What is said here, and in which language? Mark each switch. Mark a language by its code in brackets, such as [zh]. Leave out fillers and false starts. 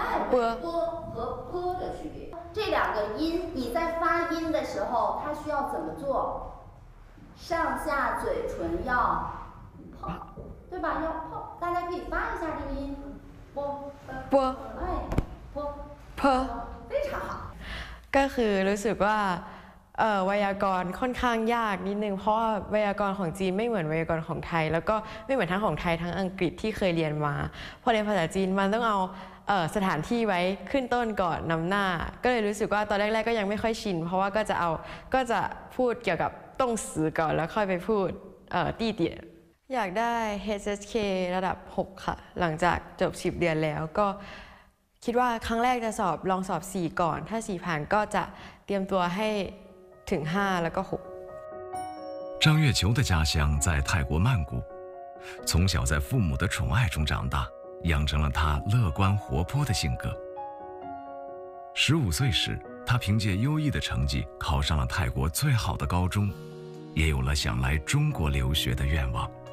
[zh] 波。波和波的区别。这两个音，你在发音的时候，它需要怎么做？上下嘴唇要碰。对吧？要破，大家可以发一下这个音，波波，哎，波波，非常好。 [th] ก็คือรู้สึกว่าไวยากรณ์ค่อนข้างยากนิดนึงเพราะว่าไวยากรณ์ของจีนไม่เหมือนไวยากรณ์ของไทยแล้วก็ไม่เหมือนทั้งของไทยทั้งอังกฤษที่เคยเรียนมาพอเรียนภาษาจีนมันต้องเอาสถานที่ไว้ขึ้นต้นก่อนนำหน้าก็เลยรู้สึกว่าตอนแรกๆก็ยังไม่ค่อยชินเพราะว่าก็จะพูดเกี่ยวกับต้องสื่อก่อนแล้วค่อยไปพูดตีเดียอยากได้ HSK ระดับ6ค่ะหลังจากจบ10เดือนแล้วก็คิดว่าครั้งแรกจะสอบลองสอบ4ก่อนถ้า4ผ่านก็จะเตรียมตัวให้ถึง5แล้วก็6 [zh] 张月球的家乡在泰国曼谷，从小在父母的宠爱中长大，养成了他乐观活泼的性格。 15岁时，他凭借优异的成绩考上了泰国最好的高中，也有了想来中国留学的愿望。